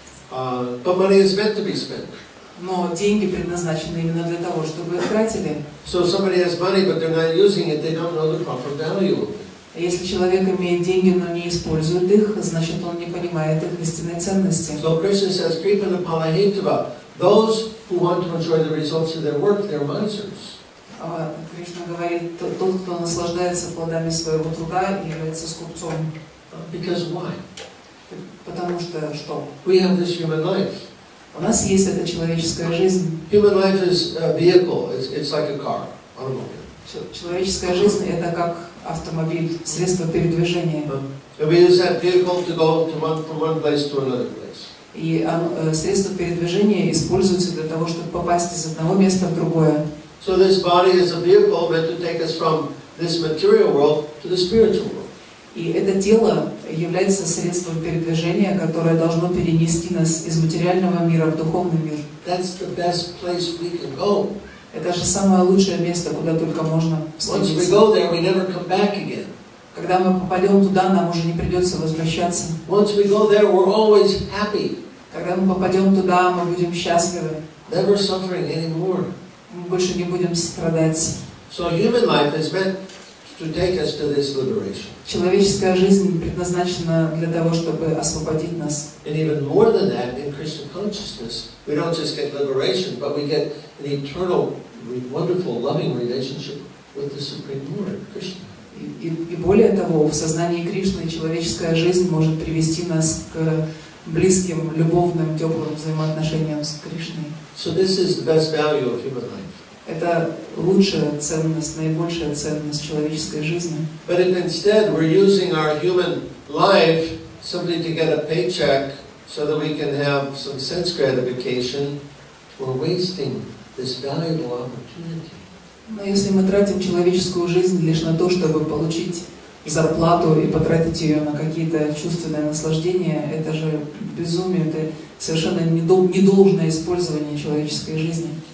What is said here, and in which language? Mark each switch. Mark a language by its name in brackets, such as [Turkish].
[English] But money is meant to be spent. [Russian] Но деньги предназначены именно для того, чтобы их тратили. [English] So somebody has money, but they're not using it, they don't know the proper value. [Russian] Если человек имеет деньги, но не использует их, значит он не понимает их истинной ценности. [English] So Krishna says, Kripana Palahitva, those who want to enjoy the results of their work, they're misers. [Russian] Кришна говорит, тот, кто наслаждается плодами своего труда, является скупцом. [English] Because why? [Russian] Потому что что? [English] We have this human life. [Russian] У нас есть эта человеческая жизнь. [English] Human life is a vehicle. It's like a car, automobile. [Russian] Человеческая жизнь — это как автомобиль, средство передвижения. [English] We use that vehicle to go from one place to another place. [Russian] И средство передвижения используется для того, чтобы попасть из одного места в другое. [English] So this body is a vehicle meant to take us from this material world to the spiritual world. [Russian] И это тело является средством передвижения, которое должно перенести нас из материального мира в духовный мир. [English] That's the best place we can go. [Russian] Это же самое лучшее место, куда только можно встретиться. [English] Once we go there, we never come back again. [Russian] Когда мы попадем туда, нам уже не придется возвращаться. [English] Once we go there, we're always happy. [Russian] Когда мы попадем туда, мы будем счастливы. [English] Never suffering anymore. [Russian] Мы больше не будем страдать. [English] So human life is meant to take us to this liberation. [Russian] Человеческая жизнь предназначена для того, чтобы освободить нас. [English] And even more than that, in Krishna consciousness, we don't just get liberation, but we get an eternal, wonderful, loving relationship with the Supreme Lord, Krishna. [Russian] И более того, в сознании Кришны человеческая жизнь может привести нас к близким, любовным, теплым взаимоотношениям с Кришной. [English] So this is the best value of human life. [Russian] Это лучшая ценность, наибольшая ценность человеческой жизни. [English] But if instead we're using our human life simply to get a paycheck so that we can have some sense gratification, we're wasting this valuable opportunity. [Russian] Но если мы тратим человеческую жизнь лишь на то, чтобы получить зарплату и потратить ее на какие-то чувственные наслаждения, это же безумие, это совершенно недолжное использование человеческой жизни.